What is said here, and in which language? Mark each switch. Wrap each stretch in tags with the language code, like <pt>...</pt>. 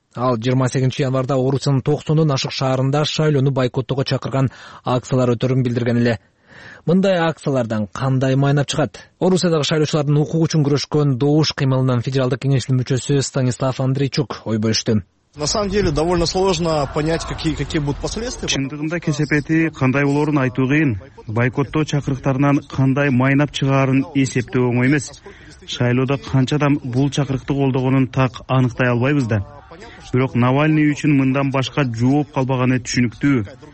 <ky>Ал 28 январда Орусиянын 90 ашык шаарында шайлоону бойкоттоого чакырган акциялар өтөрүн билдирген эле. Мындай акциялардан кандай майнап чыгат? Орусиядагы шайлоочулардын укугу үчүн күрөшкөн добуш кыймылынан федералдык кеңештин мүчөсү Станислав Андрейчук ой бөлүштү.</ky> <ru>На самом деле довольно сложно понять, какие будут последствия.</ru> <ky>Чындыгында кесепети кандай болорун айтуу кыйын. Бойкоттоо чакырыктарынан кандай майнап чыгарын эсептөө оңой эмес. Шайлоодо канча адам бул чакырыкты колдогонун так аныктай албайбыз да. Бирок Навальный үчүн мындан башка жооп калбаганы түшүнүктүү.</ky>